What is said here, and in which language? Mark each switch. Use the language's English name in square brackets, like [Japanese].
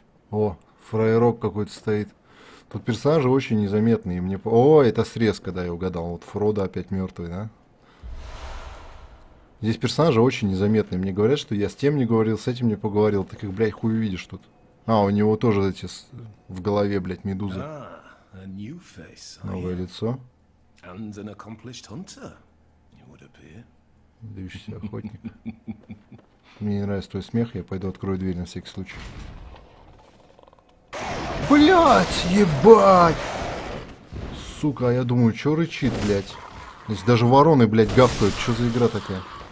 [Russian] О, фраерок какой-то стоит. Тут персонажи очень незаметные. Мне... О, это срезка, да, я угадал. Вот Фродо опять мертвый, да? Здесь персонажи очень незаметные. Мне говорят, что я с тем не говорил, с этим не поговорил. Ты как, блядь, хуй увидишь тут. А, у него тоже эти в голове, блядь, медузы. А, Новое лицо. [English] And an accomplished hunter, you would appear. [Russian] Движущийся охотник. Мне не нравится твой смех, я пойду открою дверь на всякий случай. Блять, ебать! Сука, а я думаю, чё рычит, блять? Здесь даже вороны, блять, гавкают. Чё за игра такая?